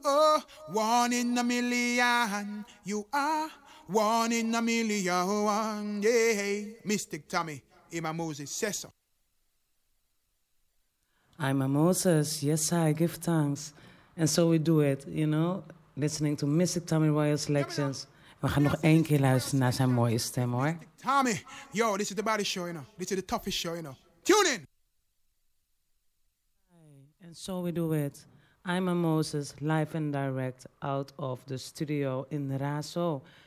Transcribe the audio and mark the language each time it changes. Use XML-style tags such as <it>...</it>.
<en>Oh, one in a million, you are one in a million, yeah. Mystic Tommy, Emma Moses, Cesar. I'm a Moses, yes, I give thanks. And so we do it, you know, listening to Mystic Tommy Royal Selections.</en> <nl>We gaan nog één keer luisteren naar zijn mooie stem, hoor.</nl> <en>Tommy, yo, this is the body show, you know. This is the toughest show, you know. Tune in! And so we do it. I'm a Moses, live and direct, out of the studio in Raso.</en>